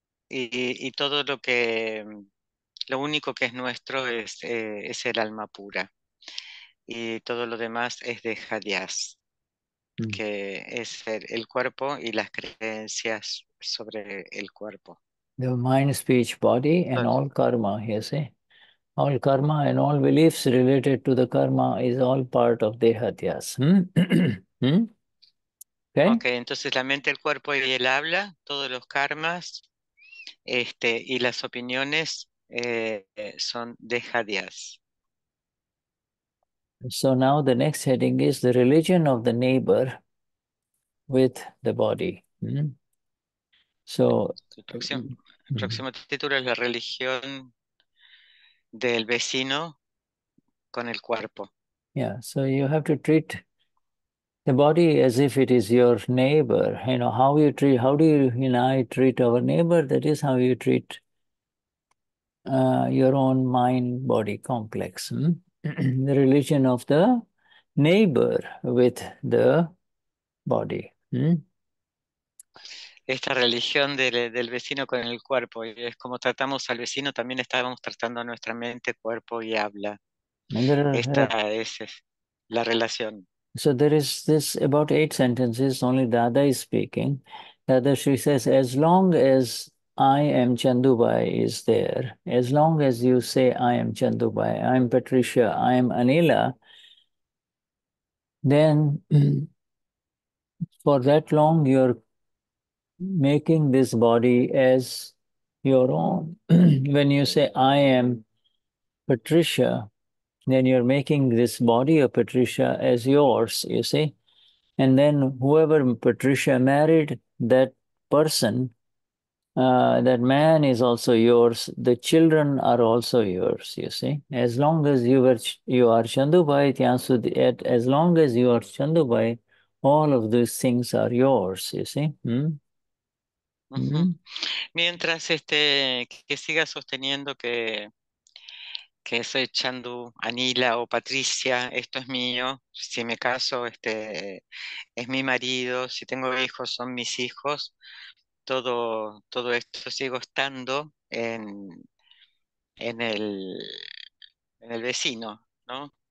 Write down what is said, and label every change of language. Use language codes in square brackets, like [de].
[es] Y todo lo que lo único que es nuestro es el alma pura. Y todo lo demás es de jadías, que es el cuerpo y las creencias sobre el cuerpo. [en] The mind, speech, body and all karma, you see. All karma and all beliefs related to the karma is all part of the jadías. Okay. [es] Okay, entonces la mente, el cuerpo y el habla, todos los karmas este, y las opiniones son de jadías. [en] So now the next heading is the religion of the neighbor with the body. Mm-hmm. So [es] próximo título es la religión del vecino con el cuerpo. [en] Yeah, so you have to treat the body as if it is your neighbor. You know, how do you and I treat our neighbor? That is how you treat your own mind-body complex. Mm? The religion of the neighbor with the body. Hmm? [es] Esta religión del vecino con el cuerpo. Es como tratamos al vecino, también estábamos tratando a nuestra mente, cuerpo y habla. Esta es la relación. [en] So there is this about 8 sentences, only Dada is speaking. Dada, she says, as long as I am Chandubai is there. As long as you say, I am Chandubai, I am Patricia, I am Anila, then for that long, you're making this body as your own. When you say, I am Patricia, then you're making this body of Patricia as yours, you see. And then whoever Patricia married, that person, that man is also yours. The children are also yours, you see. As long as you are Chandubai, as long as you are Chandubai, All of these things are yours, you see? Mm? Mm-hmm. [es] Mientras que siga sosteniendo que soy Chandu, Anila o Patricia, esto es mío. Si me caso, es mi marido. Si tengo hijos, son mis hijos. Todo esto sigo estando en el vecino, ¿no?